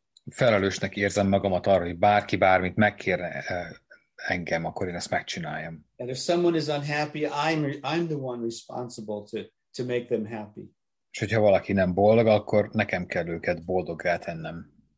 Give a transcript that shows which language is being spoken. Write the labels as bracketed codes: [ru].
[hu] Felelősnek érzem magamat arra, hogy bárki bármit megkér engem, akkor én ezt megcsináljam. [en] And if someone is unhappy, I'm the one responsible to make them happy. [hu] És hogyha valaki nem boldog, akkor nekem kell őket boldoggá tennem.